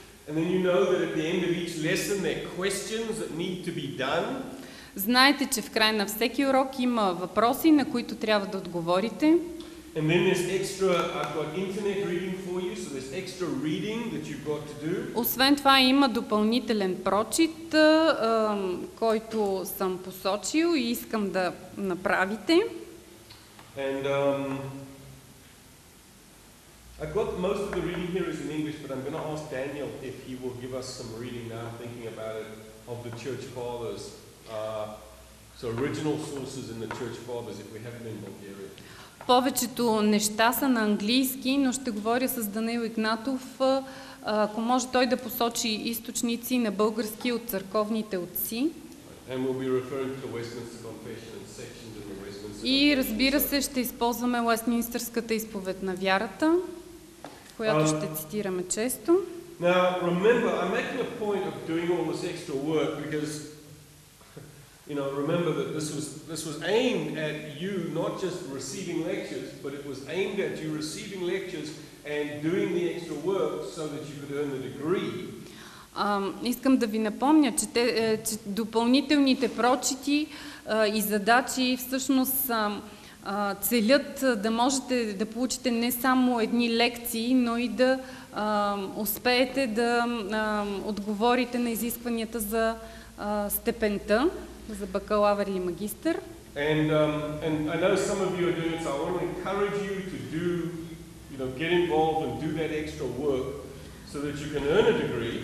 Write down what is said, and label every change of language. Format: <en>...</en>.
<en>And then you know that at the end of each lesson there are questions that need to be done.</en> <bg>Знаете, че в края на всеки урок има въпроси, на които трябва да отговорите.</bg> <en>And then there's extra, I've got internet reading for you, so there's extra reading that you've got to do.</en> <bg>Освен това има допълнителен прочит, който съм посочил и искам да направите.</bg> <en>And I've got most of the reading here is in English, but I'm going to ask Daniel if he will give us some reading now, thinking about it, of the Church Fathers. So original sources in the Church Fathers, if we have them in Bulgaria.</en> <bg>Повечето неща са на английски, но ще говоря с Данаил Игнатов, ако може той да посочи източници на български от църковните отци.</bg> <en>And we'll be referring to Westminster Confession and sections in the Westminster Confession.</en> <bg>И разбира се, ще използваме Уестминстърската изповед на вярата, която ще цитираме често.</bg> <en>Now, remember, I'm making a point of doing all this extra work because, you know, remember that this was aimed at you not just receiving lectures, but it was aimed at you receiving lectures and doing the extra work so that you could earn the degree.</en> <bg>Искам да ви напомня, че допълнителните прочити и задачи всъщност целят да можете да получите не само едни лекции, но и да успеете да отговорите на изискванията за степента, за бакалавър или магистър.</bg> <en>And I know some of you are doing it, so I want to encourage you to do, you know, get involved and do that extra work so that you can earn a degree.</en>